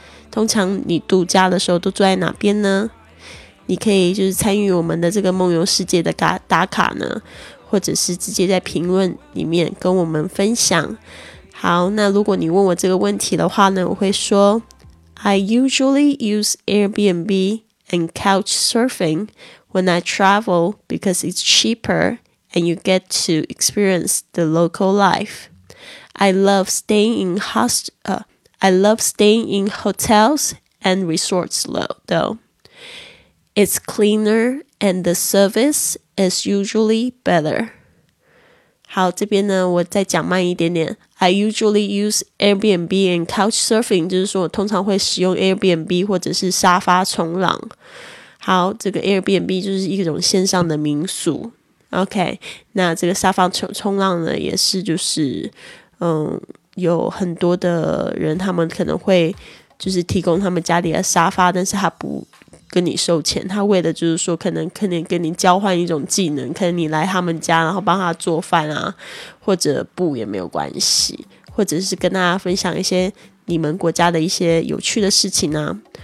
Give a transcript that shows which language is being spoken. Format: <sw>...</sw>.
<zh>通常你度假的时候都住在哪边呢？你可以就是参与我们的这个梦游世界的打卡呢，或者是直接在评论里面跟我们分享。好，那如果你问我这个问题的话呢，我会说</zh> <en>I usually use Airbnb and Couchsurfing when I travel because it's cheaper and you get to experience the local life. I love staying in hotels and resorts though. It's cleaner and the service is usually better.</en> <zh>好，这边呢我再讲慢一点点。</zh> <en>I usually use Airbnb and Couchsurfing，</en> <zh>就是说我通常会使用 Airbnb 或者是沙发冲浪。好，这个 Airbnb 就是一种线上的民宿。 OK， 那这个沙发 冲浪呢也是就是有很多的人他们可能会就是提供他们家里的沙发，但是他不跟你收钱，他为的就是说可能跟你交换一种技能，可能你来他们家然后帮他做饭啊，或者不也没有关系，或者是跟大家分享一些你们国家的一些有趣的事情啊。</zh>